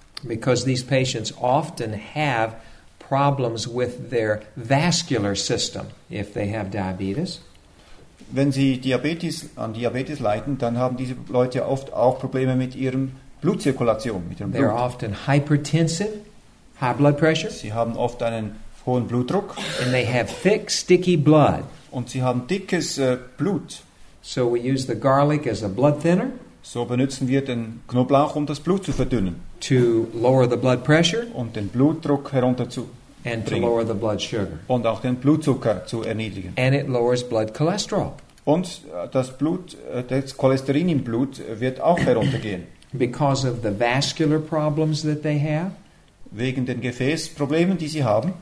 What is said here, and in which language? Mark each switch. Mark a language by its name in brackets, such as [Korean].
[English] Because these patients often have problems with their vascular system if they have diabetes. [German] Wenn sie an Diabetes leiden, dann haben diese Leute oft auch Probleme mit ihrem Blutzirkulation, mit ihrem Blut. [English] They're often hypertensive, high blood pressure. [German] Sie haben oft einen hohen Blutdruck. [English] And they have thick, sticky blood. [German] Und sie haben dickes Blut. [English] So we use the garlic as a blood thinner. [German] So benutzen wir den Knoblauch, um das Blut zu verdünnen. [English] To lower the blood pressure. [German] Und den Blutdruck herunterzubringen. [English] And to lower the blood sugar. [German] Und auch den Blutzucker zu erniedrigen. [English] And it lowers blood cholesterol. [German] Und das Cholesterin im Blut wird auch heruntergehen. [English] Because of the vascular problems that they have. [German] Wegen den Gefäßproblemen, die sie haben.